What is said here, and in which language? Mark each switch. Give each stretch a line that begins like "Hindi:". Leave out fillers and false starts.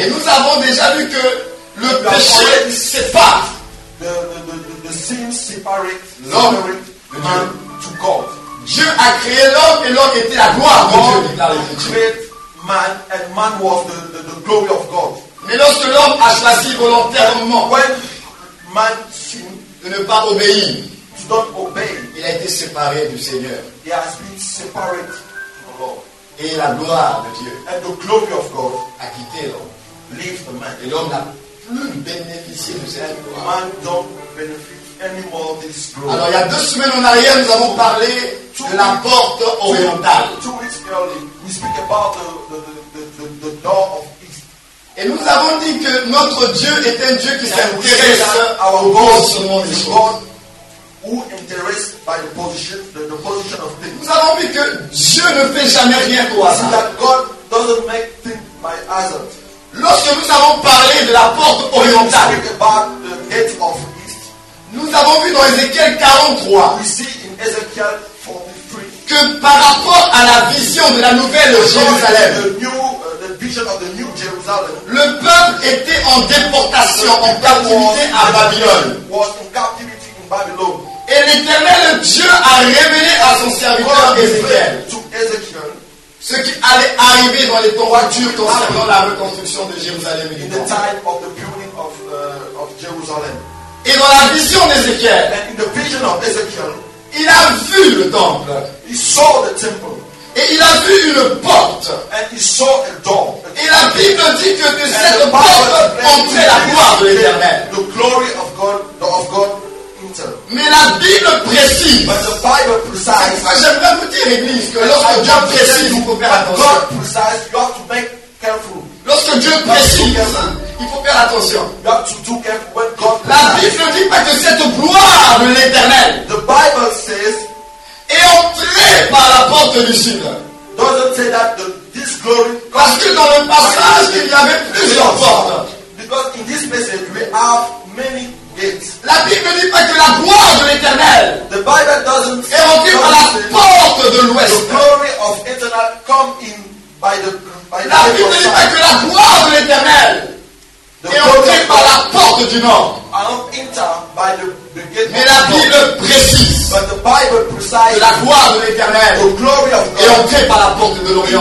French: Et nous avons déjà vu que le péché sépare
English: the sin separate
French: l'homme de Dieu.
English: Man to God.
French: Dieu a créé l'homme et l'homme était la gloire
English: God
French: de Dieu.
English: God created man and man was the glory of God.
French: Mais lorsque l'homme a choisi volontairement
English: when man sin
French: de ne pas obéir,
English: to not obey,
French: il a été séparé du Seigneur.
English: He has been separate from the Lord.
French: Et la gloire de Dieu
English: and the glory of God
French: a quitté l'homme.
English: Leave the man.
French: Et l'homme n'a plus bénéficié de cette gloire.
English: Man don't benefit anymore this glory.
French: Alors il y a deux semaines en arrière, nous avons parlé de la porte orientale.
English: Two weeks early, we speak about the door of east.
French: Et nous avons dit que notre Dieu est un Dieu qui s'intéresse au commencement des choses.
English: Who interest by the position of things.
French: Nous avons vu que Dieu ne fait jamais rien pour hasard.
English: That God doesn't make things by hazard.
French: Lorsque nous avons parlé de la porte orientale,
English: we speak about the gate of east.
French: Nous avons vu dans Ézéchiel 43,
English: we see in Ezekiel 43
French: que par rapport à la vision de la nouvelle Jérusalem,
English: the vision of the new Jerusalem,
French: le peuple était en déportation, en captivité à Babylone.
English: Was in captivity.
French: Et l'Éternel Dieu a révélé à son serviteur Ézéchiel ce qui allait arriver dans les temps futurs concernant la reconstruction de Jérusalem.
English: In the time of the building of Jerusalem.
French: Et dans la vision d'Ézéchiel,
English: in the vision of Ezekiel,
French: il a vu le temple.
English: He saw the temple.
French: Et il a vu une porte.
English: And he saw a door.
French: Et la Bible dit que de cette porte entrait la gloire de l'Éternel.
English: The glory of God,
French: mais la Bible précise.
English: But the Bible precise.
French: J'aimerais vous dire, Église, que lorsque Dieu précise, vous pouvez faire attention.
English: God precise, you have to make careful.
French: Lorsque Dieu précise, il faut faire attention.
English: You have to do careful when God
French: la Bible ne dit pas que cette gloire de l'Éternel.
English: The Bible says,
French: est entrée par la porte du sud.
English: Doesn't say that this glory.
French: Parce que dans le passage, il y avait plusieurs portes.
English: in this place you may have many gates.
French: La Bible ne dit pas que la gloire de l'Éternel.
English: The Bible doesn't.
French: Et on dit par la porte de l'Ouest.
English: The glory of eternal come in by the. By
French: la Bible ne dit pas que la gloire de l'Éternel. Et on dit par la porte du Nord.
English: I don't enter by the gate.
French: Mais la Bible précise.
English: But the Bible precise.
French: La gloire de l'Éternel.
English: The glory of God.
French: Et on dit par la porte de l'Orient.